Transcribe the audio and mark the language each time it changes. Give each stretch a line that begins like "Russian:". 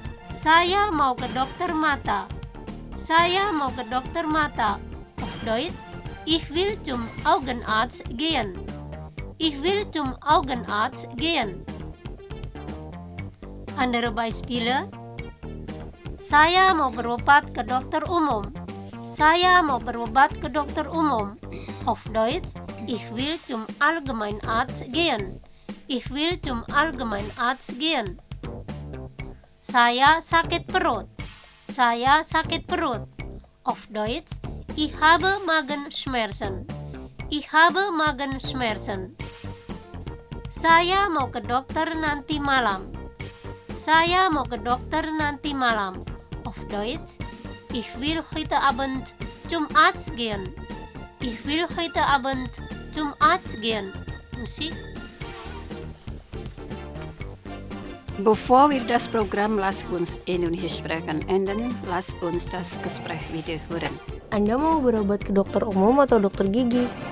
Indonesian: Saya mau ke dokter mata. Saya mau ke dokter mata.
German: Auf Deutsch, ich will zum Augenarzt gehen. Ich will zum Augenarzt gehen. Andere Beispiele.
Indonesian: Saya mau berobat ke dokter umum. Saya mau berobat ke dokter umum.
German: Auf Deutsch, ich will zum Allgemeinarzt gehen. Ich will zum Allgemeinarzt gehen.
Indonesian: Saya sakit perut. Saya sakit perut.
German: Auf Deutsch, ich habe Magenschmerzen. Ich habe Magenschmerzen.
Indonesian: Saya mau ke dokter nanti malam. Saya mau ke dokter nanti malam.
German: Auf Deutsch, ich will heute Abend zum Arzt gehen. Ich will heute Abend zum Arzt gehen. Musik. Bevor wir das Programm Lass uns Indonesisch sprechen enden, lass uns das Gespräch wiederhören.
Indonesian: Anda mau berobat ke dokter umum atau dokter gigi?